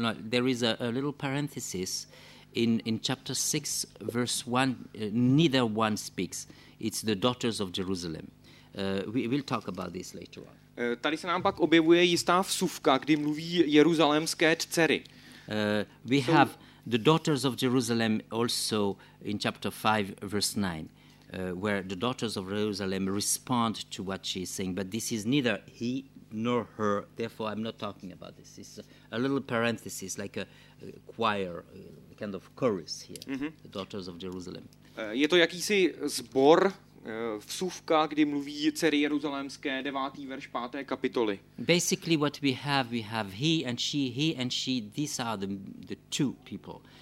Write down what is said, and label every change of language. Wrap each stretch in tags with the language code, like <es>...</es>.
<en>there is a little parenthesis in chapter 6 verse 1. Neither one speaks. It's the daughters of Jerusalem. We'll talk about this later on.</en> <cs>Tady se nám pak objevuje jistá vsuvka, kdy mluví jeruzalémské dcery.</cs> <en>We have the daughters of Jerusalem also in chapter 5 verse 9 where the daughters of Jerusalem respond to what she is saying, but this is neither he nor her, therefore I'm not talking about this. It's a little parenthesis, like a choir, a kind of chorus here. Mm-hmm. The daughters of Jerusalem.</en> <cs>Je to jakýsi sbor, vsuvka, kdy mluví dcery jeruzalémské, 9. verš 5. kapitoly.</cs> <en>Basically what we have he and she, these are the two people.</en>